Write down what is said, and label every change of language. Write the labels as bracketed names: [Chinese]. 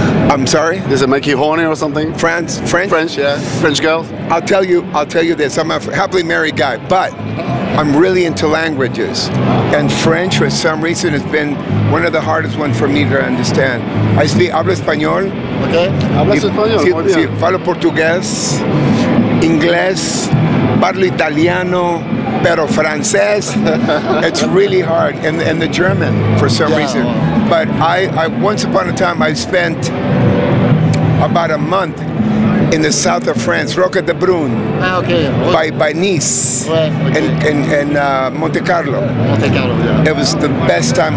[English] I'm sorry? Does it make you horny or something? France? French? French, yeah. French girls? I'll tell you this. I'm a happily married guy, but I'm really into languages. And French, for some reason, has been one of the hardest ones for me to understand. I speak, [Spanish] hablo español. Okay. Hablas español. Sí, falo portugués, inglés, [Italian] parlo italiano, [Spanish] pero francés. [English] It's really hard. And the German, for some reason. But I once upon a time, I spent about a month in the south of France, Roca de Brun, by Nice, and Monte Carlo. Monte Carlo, yeah. It was the best time.